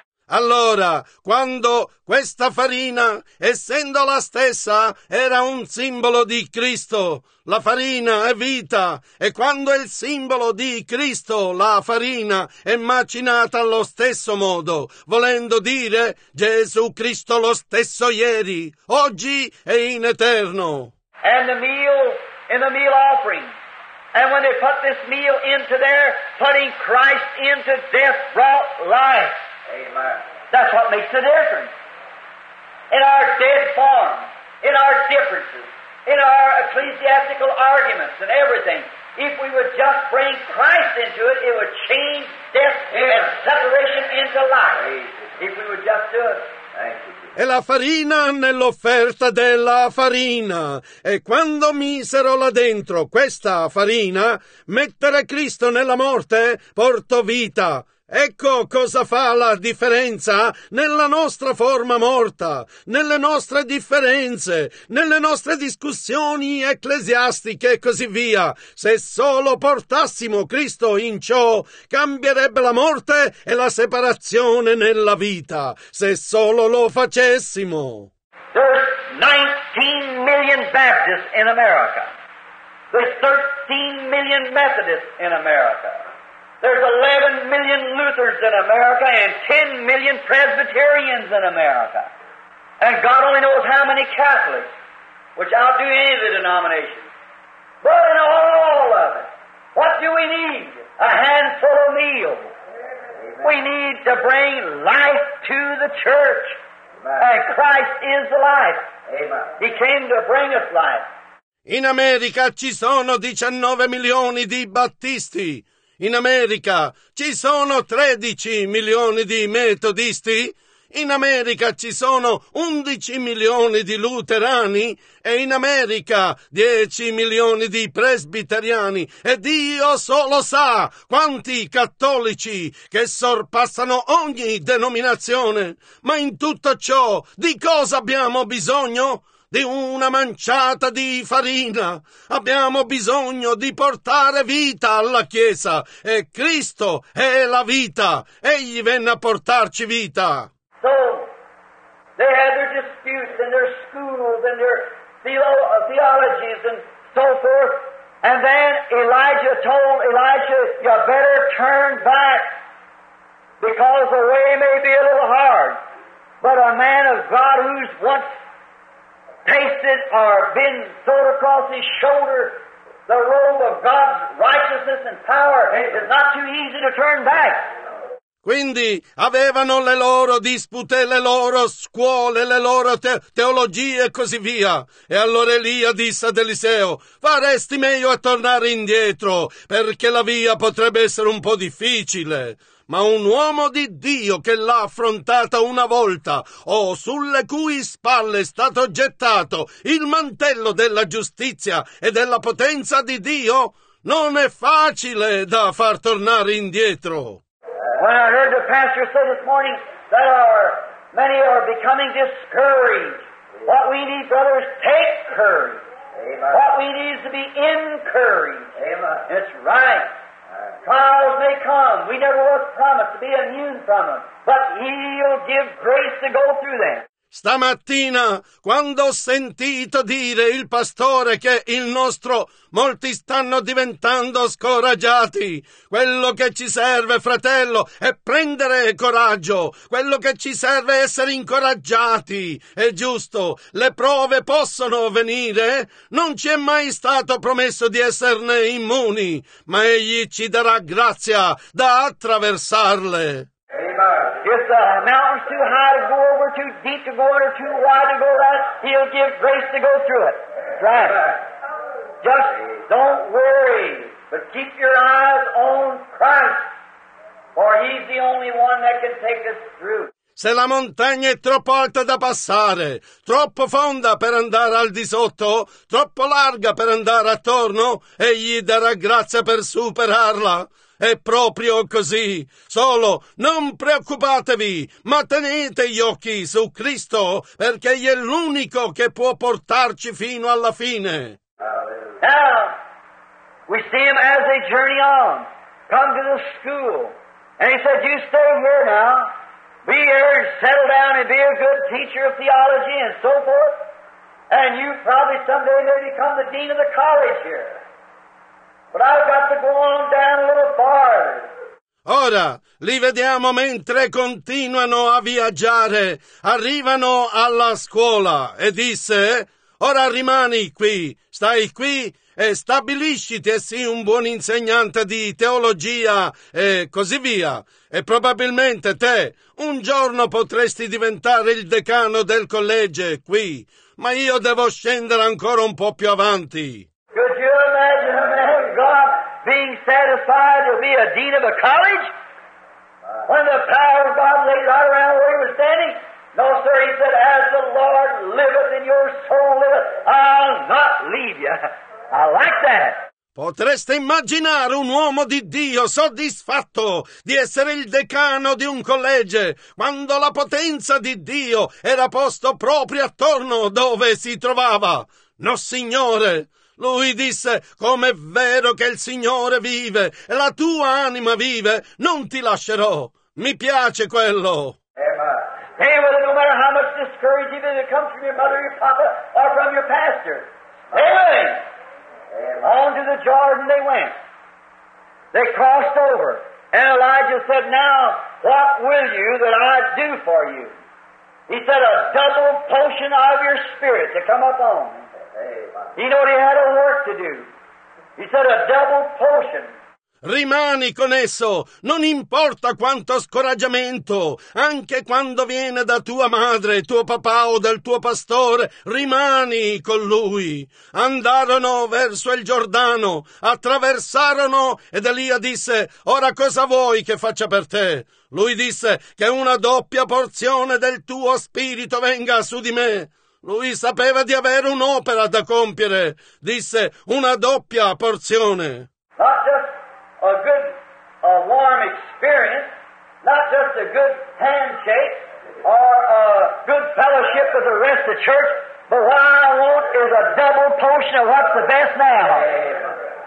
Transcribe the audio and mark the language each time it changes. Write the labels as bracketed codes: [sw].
[it] Allora, quando questa farina, essendo la stessa, era un simbolo di Cristo, la farina è vita, e quando è il simbolo di Cristo, la farina è macinata allo stesso modo, volendo dire Gesù Cristo lo stesso ieri, oggi e in eterno. [en] And the meal in the meal offering. And when they put this meal into there, putting Christ into death brought life. Amen. That's what makes the difference. In our dead form, in our differences, in our ecclesiastical arguments and everything, if we would just bring Christ into it, it would change death and separation into life. If we would just do it. [it] E la farina nell'offerta della farina. E quando misero là dentro questa farina, mettere Cristo nella morte portò vita. Ecco cosa fa la differenza nella nostra forma morta, nelle nostre differenze, nelle nostre discussioni ecclesiastiche e così via. Se solo portassimo Cristo in ciò, cambierebbe la morte e la separazione nella vita. Se solo lo facessimo. [en] There's 19 million Baptists in America. There's 13 million Methodists in America. There's 11 million Lutherans in America and 10 million Presbyterians in America. And God only knows how many Catholics, which outdo any of the denominations. But in all of it, what do we need? A handful of meal. Amen. We need to bring life to the church. Amen. And Christ is the life. Amen. He came to bring us life. [it] In America ci sono 19 milioni di Battisti. In America ci sono 13 milioni di metodisti, in America ci sono 11 milioni di luterani e in America 10 milioni di presbiteriani. E Dio solo sa quanti cattolici che sorpassano ogni denominazione. Ma in tutto ciò di cosa abbiamo bisogno? Di una manciata di farina. Abbiamo bisogno di portare vita alla Chiesa, e Cristo è la vita. Egli venne a portarci vita. [en] So, they had their disputes and their schools and their theologies and so forth. And then Elijah told Elijah, you better turn back, because the way may be a little hard. But a man of God who's once tasted or been thrown across his shoulder the robe of God's righteousness and power, it is not too easy to turn back. [it] Quindi avevano le loro dispute, le loro scuole, le loro teologie e così via. E allora Elia disse ad Eliseo, faresti meglio a tornare indietro, perché la via potrebbe essere un po' difficile. Ma un uomo di Dio che l'ha affrontata una volta, o sulle cui spalle è stato gettato il mantello della giustizia e della potenza di Dio, non è facile da far tornare indietro. [en] When I heard the pastor say this morning that our many are becoming discouraged, what we need, brothers, take courage. Amen. What we need is to be encouraged. Amen. It's right. Amen. Trials may come. We never was promised to be immune from them, but He'll give grace to go through them. [it] Stamattina, quando ho sentito dire il pastore che il nostro molti stanno diventando scoraggiati, quello che ci serve, fratello, è prendere coraggio, quello che ci serve è essere incoraggiati. È giusto, le prove possono venire, non ci è mai stato promesso di esserne immuni, ma egli ci darà grazia da attraversarle. [en] If the mountain's too high to go over, too deep to go under, too wide to go around, he'll give grace to go through it. Right. Just don't worry, but keep your eyes on Christ, for he's the only one that can take us through. [it] Se la montagna è troppo alta da passare, troppo fonda per andare al di sotto, troppo larga per andare attorno, egli darà grazia per superarla. È proprio così. Solo non preoccupatevi, ma tenete gli occhi su Cristo, perché egli è l'unico che può portarci fino alla fine. [en] Now, we see him as they journey on, come to the school, and he said, you stay here now. Be here, settle down and be a good teacher of theology and so forth, and you probably someday may become the dean of the college here. But I've got to go on down a little farther. [it] Ora, li vediamo mentre continuano a viaggiare, arrivano alla scuola, e disse, ora rimani qui, stai qui e stabilisciti e sii un buon insegnante di teologia e così via. E probabilmente te un giorno potresti diventare il decano del collegio qui, ma io devo scendere ancora un po' più avanti. [en] Could you imagine a man of God being satisfied to be a dean of a college? When the power of God laid right around where he was standing? No, sir, he said, as the Lord liveth and your soul liveth, I'll not leave you. I like that. [it] Potreste immaginare un uomo di Dio soddisfatto di essere il decano di un collegio quando la potenza di Dio era posto proprio attorno dove si trovava. No, Signore! Lui disse, com'è vero che il Signore vive e la tua anima vive, non ti lascerò. Mi piace quello. [en] Hey, well, no matter how much discouraging it comes from your mother, your papa, or from your pastor. Amen. On to the Jordan they went. They crossed over. And Elijah said, now, what will you that I do for you? He said, a double potion of your spirit to come upon. He knew he had a work to do. He said, a double potion. [it] Rimani con esso, non importa quanto scoraggiamento, anche quando viene da tua madre, tuo papà o dal tuo pastore, rimani con lui. Andarono verso il Giordano, attraversarono ed Elia disse, ora cosa vuoi che faccia per te? Lui disse, che una doppia porzione del tuo spirito venga su di me. Lui sapeva di avere un'opera da compiere, disse, una doppia porzione. [en] A good, a warm experience, not just a good handshake or a good fellowship with the rest of the church, but what I want is a double potion of what's the best now.